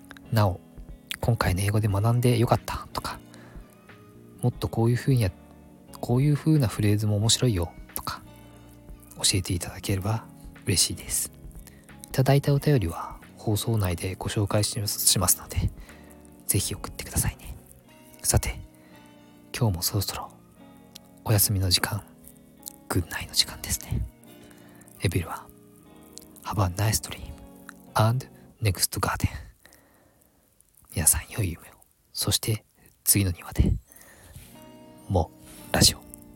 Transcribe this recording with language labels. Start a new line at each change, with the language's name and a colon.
Japanese: なお、今回の英語で学んでよかったとか、もっとこういうふうなフレーズも面白いよとか、教えていただければ嬉しいです。いただいたお便りは放送内でご紹介しますので、ぜひ送ってくださいね。さて、今日もそろそろお休みの時間、グッナイの時間ですね。エビルは、
English: Have a nice dream and next garden。
Japanese: 皆さん良い夢を、そして次の庭で、もうラジオ。